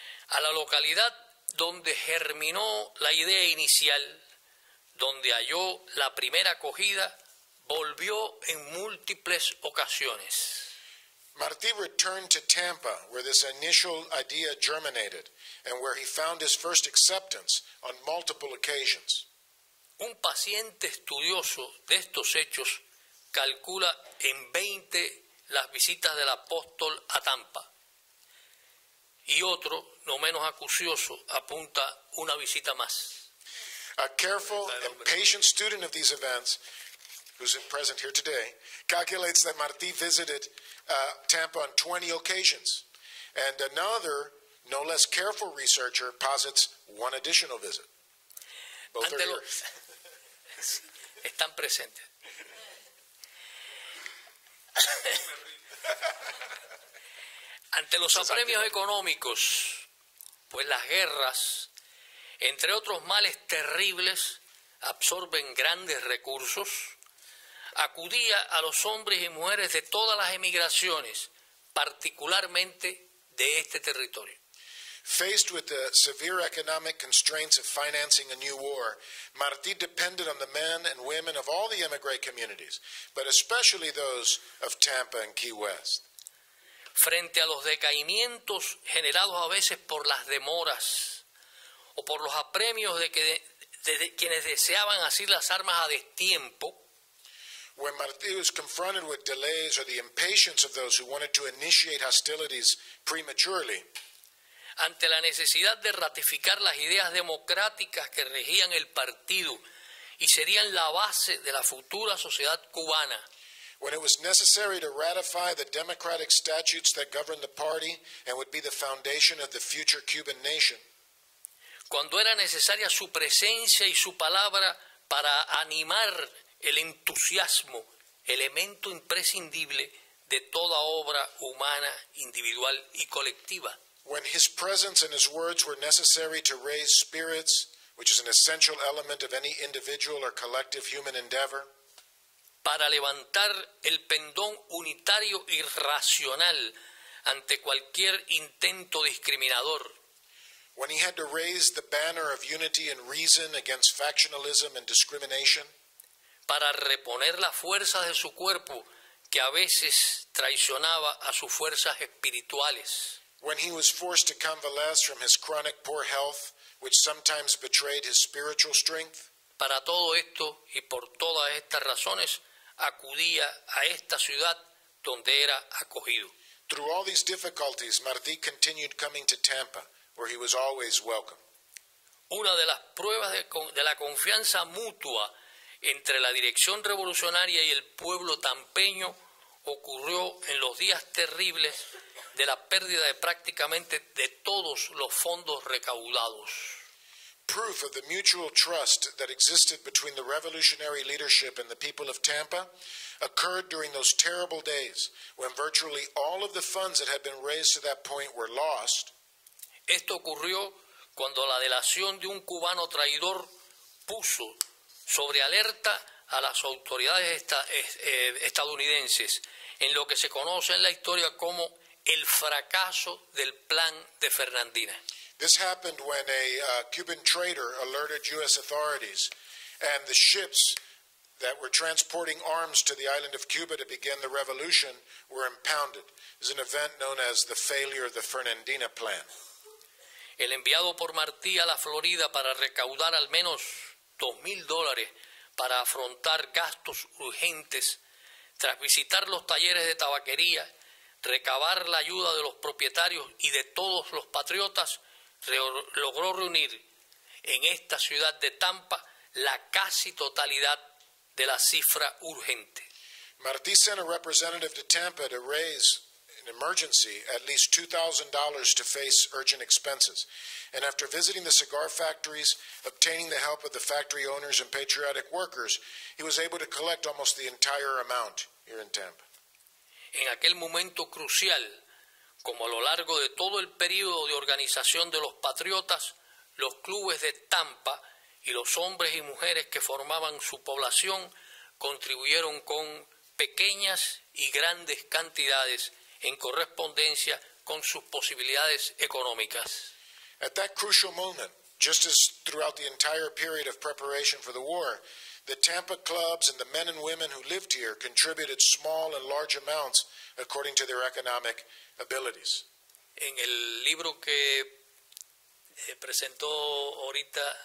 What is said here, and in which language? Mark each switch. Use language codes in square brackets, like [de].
[es] A la localidad donde germinó la idea inicial, donde halló la primera acogida, volvió en múltiples ocasiones. [en] Martí returned to Tampa, where this initial idea germinated, and where he found his first acceptance on multiple occasions. [es] Un paciente estudioso de estos hechos calcula en 20 las visitas del apóstol a Tampa. Y otro, no menos acucioso, apunta una visita más. [en] A careful and patient student of these events, who's present here today, calculates that Martí visited Tampa on 20 occasions. And another, no less careful researcher, posits one additional visit. Both are here. [es] Están presentes. Ante los apremios económicos, pues las guerras, entre otros males terribles, absorben grandes recursos, acudía a los hombres y mujeres de todas las emigraciones, particularmente de este territorio. [en] Faced with the severe economic constraints of financing a new war, Martí depended on the men and women of all the emigrant communities, but especially those of Tampa and Key West. [es] Frente a los decaimientos generados a veces por las demoras o por los apremios de, que de quienes deseaban asir las armas a destiempo, [en] when Martí was confronted with delays or the impatience of those who wanted to initiate hostilities prematurely, [es] ante la necesidad de ratificar las ideas democráticas que regían el partido y serían la base de la futura sociedad cubana, [en] when it was necessary to ratify the democratic statutes that govern the party and would be the foundation of the future Cuban nation, [es] cuando era necesaria su presencia y su palabra para animar el entusiasmo, elemento imprescindible de toda obra humana, individual y colectiva, [en] when his presence and his words were necessary to raise spirits, which is an essential element of any individual or collective human endeavor, [es] para levantar el pendón unitario y racional ante cualquier intento discriminador, [en] when he had to raise the banner of unity and reason against factionalism and discrimination, [es] para reponer las fuerzas de su cuerpo que a veces traicionaba a sus fuerzas espirituales, [en] when he was forced to convalesce from his chronic poor health, which sometimes betrayed his spiritual strength, [es] para todo esto y por todas estas razones acudía a esta ciudad donde era acogido. [en] Through all these difficulties, Martí continued coming to Tampa, where he was always welcome. [es] Una de las pruebas de la confianza mutua entre la dirección revolucionaria y el pueblo tampeño ocurrió en los días terribles de la pérdida de prácticamente de todos los fondos recaudados. [en] Proof of the mutual trust that existed between the revolutionary leadership and the people of Tampa occurred during those terrible days when virtually all of the funds that had been raised to that point were lost. [es] Esto ocurrió cuando la delación de un cubano traidor puso sobre alerta a las autoridades estadounidenses en lo que se conoce en la historia como el fracaso del plan de Fernandina. [en] This happened when a Cuban trader alerted U.S. authorities and the ships that were transporting arms to the island of Cuba to begin the revolution were impounded. It's an event known as the failure of the Fernandina plan. [es] El enviado por Martí a la Florida para recaudar al menos $2,000 para afrontar gastos urgentes, tras visitar los talleres de tabaquería, recabar la ayuda de los propietarios y de todos los patriotas, logró reunir en esta ciudad de Tampa la casi totalidad de la cifra urgente. [en] Martí sent a representative to Tampa to raise an emergency at least $2,000 to face urgent expenses. And after visiting the cigar factories, obtaining the help of the factory owners and patriotic workers, he was able to collect almost the entire amount here in Tampa. [es] En aquel momento crucial, como a lo largo de todo el periodo de organización de los patriotas, los clubes de Tampa y los hombres y mujeres que formaban su población contribuyeron con pequeñas y grandes cantidades en correspondencia con sus posibilidades económicas. [en] At that crucial moment, just as throughout the entire period of preparation for the war, the Tampa clubs and the men and women who lived here contributed small and large amounts according to their economic abilities. [es] En el libro que presentó ahorita,